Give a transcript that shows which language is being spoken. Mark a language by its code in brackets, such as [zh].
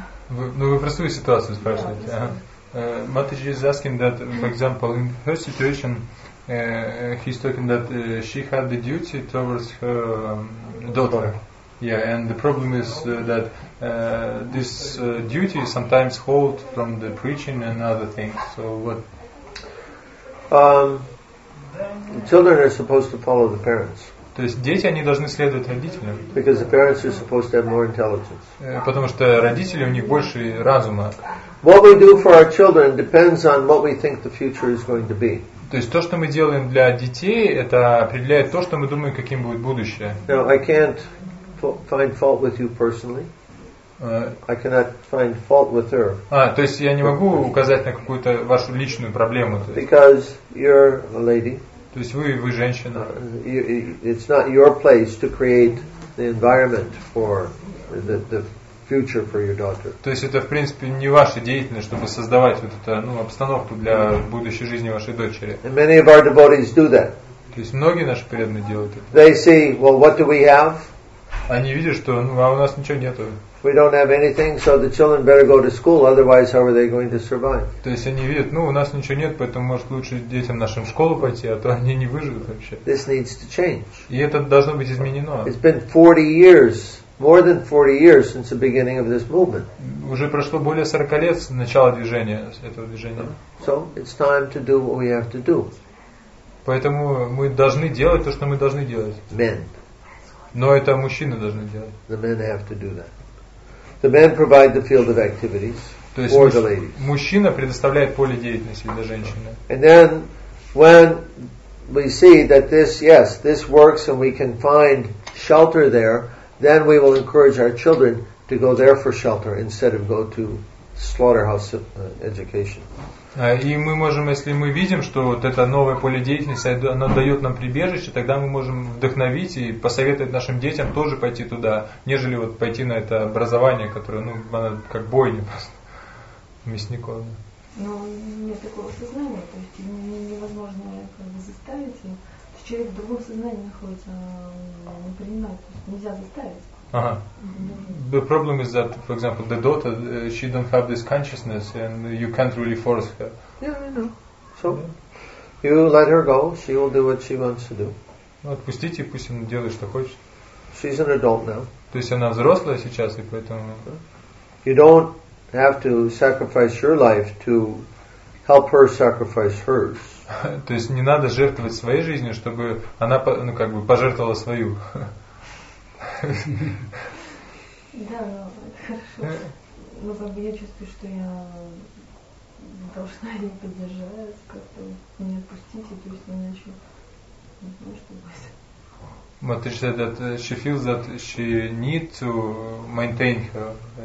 [ru] Вы про свою ситуацию спрашиваете. [en] Матриджи is asking that, for example, in her situation, he's talking that she had the duty towards her daughter. Yeah, and the problem is that this duty sometimes hold from the preaching and other things. So what? Children are supposed to follow the parents. [ru] То есть дети, они должны следовать родителям. [en] Because the parents are supposed to have more intelligence. [ru] Потому что родители, у них больше разума. [en] What we do for our children depends on what we think the future is going to be. [ru] То есть то, что мы делаем для детей, это определяет то, что мы думаем, каким будет будущее. [en] Now, I can't find fault with you personally. I cannot find fault with her. [ru] То есть я не могу указать на какую-то вашу личную проблему. [en] Because you're a lady. [ru] То есть вы женщина. [en] It's not your place to create the environment for the future for your daughter. [ru] То есть это в принципе не ваша деятельность, чтобы создавать вот эту, ну, обстановку для будущей жизни вашей дочери. [en] And many of our devotees do that. [ru] То есть многие наши преданные делают это. [en] They see, well, what do we have? [ru] Они видят, что, ну, а у нас ничего нету. [en] We don't have anything, so the children better go to school, otherwise how are they going to survive? [ru] То есть они видят, ну, у нас ничего нет, поэтому может лучше детям нашим в школу пойти, а то они не выживут вообще. [en] This needs to change. [ru] И это должно быть изменено. [en] It's been 40 years, more than 40 years since the beginning of this movement. [ru] Уже прошло более 40 лет с начала движения, с этого движения. [en] So it's time to do what we have to do. [ru] Поэтому мы должны делать то, что мы должны делать. [en] Men. [ru] Но это мужчины должны делать. [en] The men have to do that. The men provide the field of activities for the ladies. [ru] То есть мужчина предоставляет поле деятельности для женщины. [en] And then, when we see that this works and we can find shelter there, then we will encourage our children to go there for shelter instead of go to slaughterhouse education. [ru] И мы можем, если мы видим, что вот это новое поле деятельности, оно дает нам прибежище, тогда мы можем вдохновить и посоветовать нашим детям тоже пойти туда, нежели вот пойти на это образование, которое, ну, оно как бойня просто, мясников. Но нет такого сознания, то есть невозможно как бы заставить его. Человек в другом сознании находится, не принимает, то есть нельзя заставить. Uh-huh. [en] The problem is that, for example, the daughter, she don't have this consciousness, and you can't really force her. Yeah, I know. So, yeah. You let her go. She will do what she wants to do. [ru] Ну, отпустите, пусть она делает, что хочет. [en] She's an adult now. [ru] То есть она взрослая сейчас, и поэтому. [en] You don't have to sacrifice your life to help her sacrifice hers. [ru] То есть не надо жертвовать своей жизнью, чтобы она, ну, как бы пожертвовала свою. Да, ну, хорошо. Но как бы я чувствую, что я должна ее поддержать, как-то не отпустить, то есть иначе не знаю, что будет. [en] But she said that she feels that she needs to maintain her.